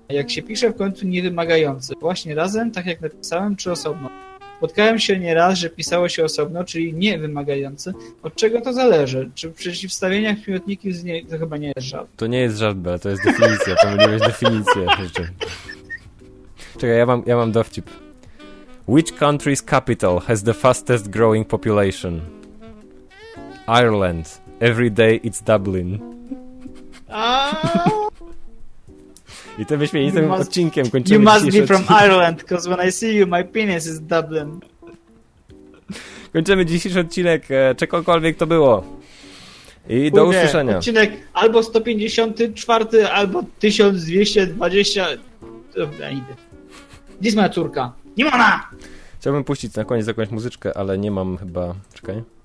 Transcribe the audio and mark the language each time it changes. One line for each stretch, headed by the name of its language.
Polish: Jak się pisze w końcu niewymagający. Właśnie razem, tak jak napisałem, czy osobno? Spotkałem się nieraz, że pisało się osobno, czyli niewymagający. Od czego to zależy? Czy w przeciwstawieniach miłotniki z niej... To chyba nie jest żart. To nie jest żart, bo to jest definicja. To nie jest definicja. Czekaj, ja mam dowcip.
English: Which country's capital has the fastest growing population? Ireland. Every day it's Dublin.
Polish: I tym wyśmienitym odcinkiem kończymy.
English: You must be from Ireland, because when I see you, my penis is Dublin.
Polish: Kończymy dzisiejszy odcinek, czekolwiek to było. I do usłyszenia. Odcinek albo 154, albo 1220. Dobra, idę. Gdzie jest moja córka? Nie ma ona! Chciałbym puścić na koniec jakąś muzyczkę, ale nie mam chyba. Czekaj.